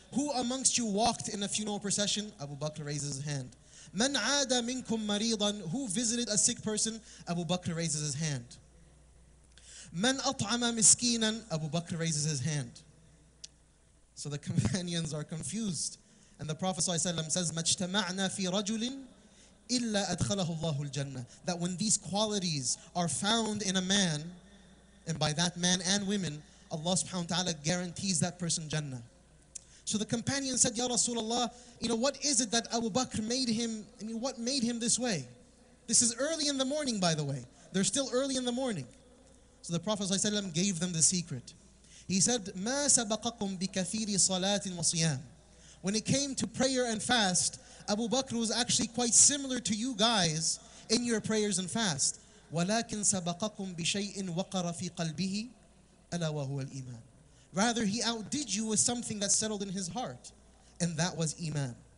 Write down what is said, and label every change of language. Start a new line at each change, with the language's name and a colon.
English: Who amongst you walked in a funeral procession? Abu Bakr raises his hand.
Arabic: مَنْ عَادَ مِنْكُمْ مَرِيضًا?
English: Who visited a sick person? Abu Bakr raises his hand.
Arabic: مَنْ أَطْعَمَ مِسْكِينًا?
English: Abu Bakr raises his hand. So the companions are confused. And the Prophet ﷺ says,
Arabic: مَجْتَمَعْنَا فِي رَجُلٍ إِلَّا أَدْخَلَهُ اللَّهُ الْجَنَّةِ.
English: That when these qualities are found in a man, and by that man and women, Allah subhanahu wa ta'ala guarantees that person Jannah. So the companion said, Ya Rasulullah, you know, what is it that Abu Bakr made him, I mean, what made him this way? This is early in the morning, by the way. They're still early in the morning. So the Prophet sallallahu alayhi wa sallam gave them the secret. He said,
Arabic: مَا سَبَقَكُمْ بِكَثِيرِ صَلَاتٍ وَصِيَامٍ.
English: When it came to prayer and fast, Abu Bakr was actually quite similar to you guys in your prayers and fast.
Arabic: وَلَكِنْ سَبَقَكُمْ بِشَيْءٍ وَقَرَ فِي قَلْبِهِ أَلَا وَهُوَ الْإِيمَانِ.
English: Rather, he outdid you with something that settled in his heart, and that was iman.